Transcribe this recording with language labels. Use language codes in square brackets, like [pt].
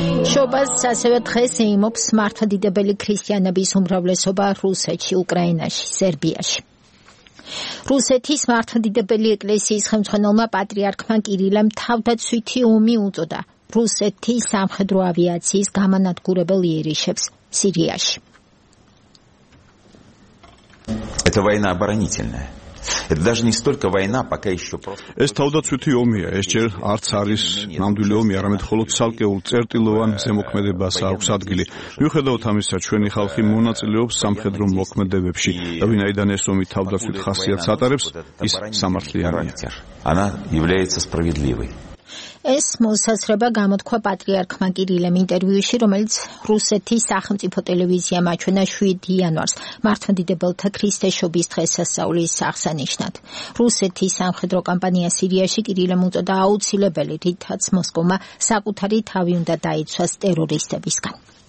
[ka] შობას ასევე დღეს ემობს მართლმადიდებელი ქრისტიანების უმრავლესობა რუსეთში, უკრაინაში, სერბიაში. რუსეთის მართლმადიდებელი ეკლესიის ხელმძღვანელმა პატრიარქმა კირილემ თავდაცვითი ომი უწოდა რუსეთის სამხედრო ავიაციის გამანადგურებელ იერიშებს სირიაში. [ru] Это война оборонительная. Это даже не столько война, пока ещё просто. [ka] Ეს თავდაცვითი ომია, ეს ჯერ არც არის ნამდვილი ომი, არამედ მხოლოდ ცალკეულ წერტილოვან ზემოქმედებას აქვს ადგილი. მიუხედავად ამისა, ჩვენი ხალხი მონაწილეობს სამხედრო მოქმედებებში და ვინაიდან ეს ომი თავდაცვით ხასიათს ატარებს, ის სამართლიანია. [ru] Она является справедливой. [ka] ეს მოსაზრება გამოთქვა პატრიარქმა კირილემ ინტერვიუში, რომელიც რუსეთის სახელმწიფო ტელევიზიამ აჩვენა 7 იანვარს, მართლმადიდებელთა ქრისტეშობის დღესასწაულის აღსანიშნად. რუსეთის სამხედრო კამპანია სირიაში კირილემ უწოდა აუცილებელი, რითაც მოსკოვმა საკუთარი თავი უნდა დაიცვას ტერორისტებისგან.